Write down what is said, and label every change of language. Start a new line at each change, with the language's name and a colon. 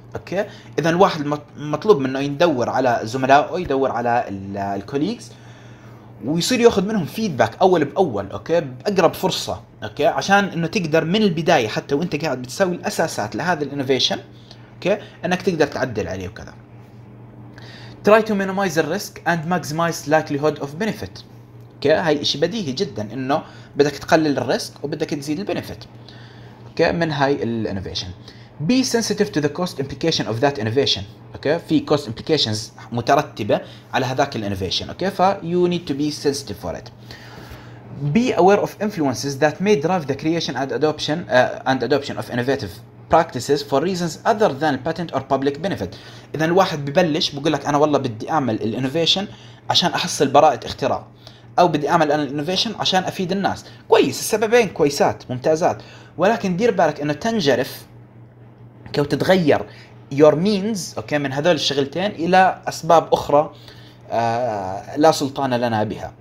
Arabic: Okay؟ إذا الواحد مطلوب منه يدور على زملاء أو يدور على ال colleagues ويصير يأخذ منهم feedback أول بأول، okay، بأقرب فرصة، okay، عشان إنه تقدر من البداية حتى وأنت قاعد بتسوي الأساسات لهذا innovation، okay، إنك تقدر تعدل عليه وكذا.
English: Try to minimize the risk and maximize likelihood of benefit.
Arabic: اوكي، هاي اشي بديهي جدا انه بدك تقلل الريسك وبدك تزيد البنفيت، اوكي، من هاي الانوفيشن.
English: Be sensitive to the cost implication of that innovation. Okay, في cost implications مترتبه على هذاك الانوفيشن، اوكي، ف you need to be sensitive for it. be aware of influences that may drive the creation and adoption of innovative practices for reasons other than patent or public benefit.
Arabic: إذا الواحد ببلش بقول لك أنا والله بدي أعمل الانوفيشن عشان أحصل براءة اختراع، أو بدي أعمل أنا الانوفيشن عشان أفيد الناس. كويس، السببين كويسات ممتازات، ولكن دير بالك إنه تنجرف كو تتغير
English: your means okay
Arabic: من هذول الشغلتين إلى أسباب أخرى لا سلطان لنا بها.